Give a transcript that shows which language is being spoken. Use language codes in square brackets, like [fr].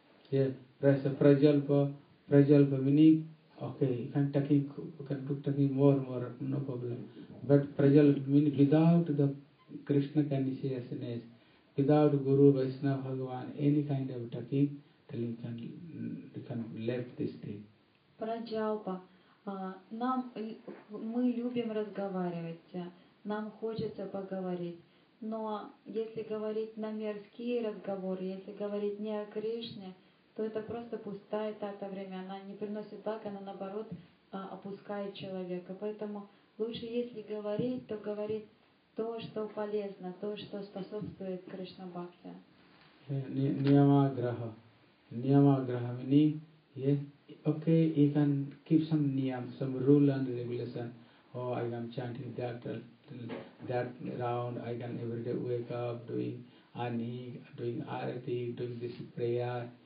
[en] Yes, prajalpa meaning, okay, you can talk more, no problem. But prajalpa meaning without the Krishna consciousness, without Guru, Vaishnava, Bhagavan, any kind of talking, can left this thing. [ru] Праджалпа. Нам мы любим разговаривать, нам хочется поговорить. Но если говорить на мирские разговоры, если говорить не о Кришне, то это просто пустая трата времени. Она не приносит благ, она наоборот опускает человека. Поэтому лучше, если говорить, то говорить то, что полезно, то, что способствует Кришна Бхакти. Ниямаграха. [en] Niyamagraha meaning, yes, okay, you can keep some niyam, some rule and regulation. Oh, I am chanting that round, I can every day wake up doing anik, doing arati, doing this prayer.